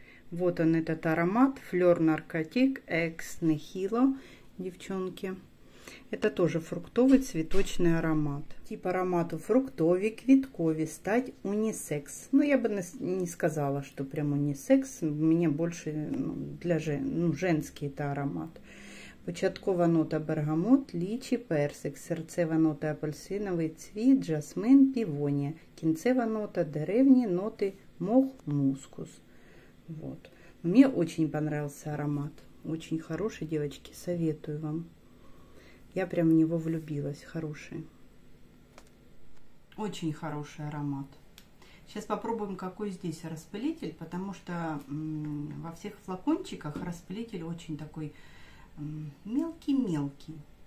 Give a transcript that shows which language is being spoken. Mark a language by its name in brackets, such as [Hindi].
[Russian] Вот он, этот аромат Флёр Наркотик Экс Нехило, девчонки. Это тоже фруктовый цветочный аромат. [Ukrainian] Тип аромату фруктовый, квитковый, стать унисекс. [Russian] Но я бы не сказала, что прям унисекс. Мне больше для женский это аромат. [Ukrainian] Початкова нота бергамот, личи, персик, серцева нота апельсиновый цвіт, жасмин, півонія, кінцева нота деревні, ноти мох, мускус. [Russian] Вот. Мне очень понравился аромат. Очень хороший, девочки, советую вам. Я прям в него влюбилась. Хороший. Очень хороший аромат. Сейчас попробуем, какой здесь распылитель, потому что во всех флакончиках распылитель очень такой мелкий-мелкий.